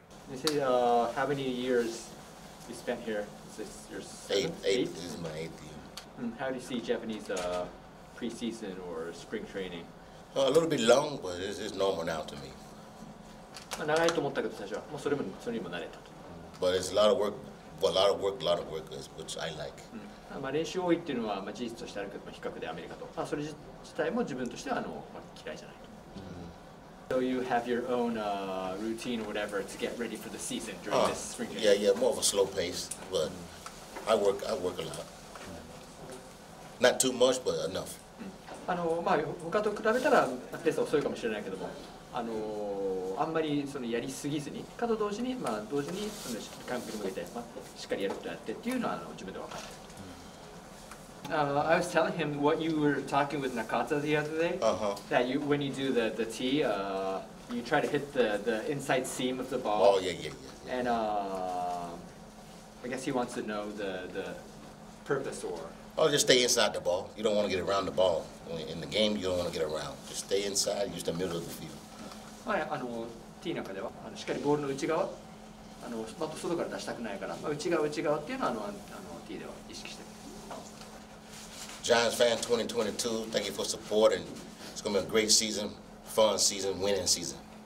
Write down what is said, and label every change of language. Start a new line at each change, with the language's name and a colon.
English: This is how many years you spent here? Is this your eighth? This is my eighth year. How do you see Japanese preseason or spring training? A little bit long, but it's normal now to me.
Japanese: 長いと思ったけど最初はもうそれにも慣れたと。
English: But it's a lot of work, well, a lot of work, which I like.、
Japanese: うん、まあ練習多いっていうのは、まあ、事実としてあるけど、比較でアメリカと。まあ、それ自体も自分としてはまあ、嫌いじゃないと。 Mm-hmm.
English: So you have your own、routine or whatever to get ready for the season during this spring game? Yeah, more of a slow pace, but I work a lot. Not too much, but enough.、
Japanese: うん、まあ、他と比べたらペースは遅いかもしれないけども。あんまりそのやりすぎずに、かと同時に、まあ、同時に完璧に向けて、まあ、しっかりやることをやってっていうのは自分で分かってる。
English: I was telling him what you were talking with Nakata the other day、 uh-huh. that you, when you do the tee、you try to hit the inside seam of the ball. Oh, yeah. And、I guess he wants to know the purpose or... Oh, just stay inside the ball. You don't want to get around the ball. In the game, you don't want to get around. Just stay inside, use the middle of the field.
Japanese: Tee なんかでは、しっかりボールの内側、まっと外から出したくないから、まあ、内側っていうのは、Tee では意識してる。
English: Giants fan 2022, thank you for support, and it's going to be a great season, fun season, winning season.